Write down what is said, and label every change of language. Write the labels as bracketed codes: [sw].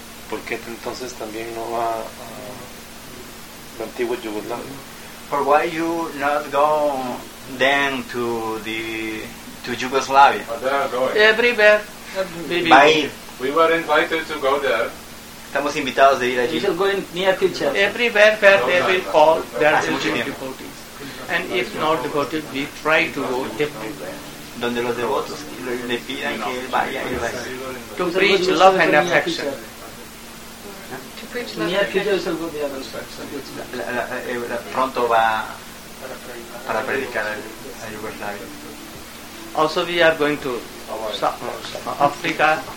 [es] ¿Por qué entonces también no va a antiguo Yugoslavia? [en] For why you not go then to the to Yugoslavia? But they are going. Everywhere. We were invited to go there. [es] Estamos invitados de ir allí. [en] We shall go in near future. Everywhere where they will fall, there will be devotees. And if not devoted, we try to go everywhere. [es] Donde los devotos le pidan que él vaya, él va. [en] To preach love and affection. To preach love and affection. [es] Pronto va para predicar a Yugoslavia. [en] Also, we are going to Africa,